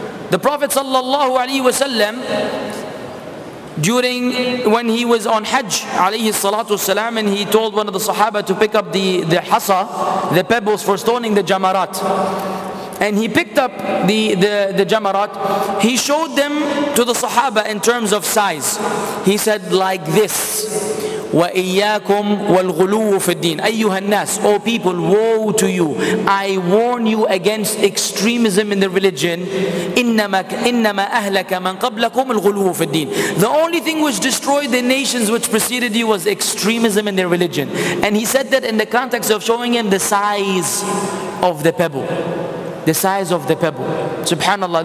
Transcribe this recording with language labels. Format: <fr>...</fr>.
<en>The Prophet sallallahu alaihi wasallam, during when he was on Hajj alayhi salatu wasalam, and he told one of the Sahaba to pick up the hasa, the pebbles for stoning the jamarat. And he picked up the jamarat. He showed them to the Sahaba in terms of size. He said like this,</en> <ar>وَإِيَّاكُمْ وَالْغُلُوُّ فِي الدِّينِ أَيُّهَا النَّاسِ.</ar> <en>O people, woe to you. I warn you against extremism in the religion.</en> <ar>إِنَّمَا أَهْلَكَ مَنْ قَبْلَكُمُ الْغُلُوُّ فِي الدِّينِ.</ar> <en>The only thing which destroyed the nations which preceded you was extremism in their religion. And he said that in the context of showing him the size of the pebble. The size of the pebble. Subhanallah.</en>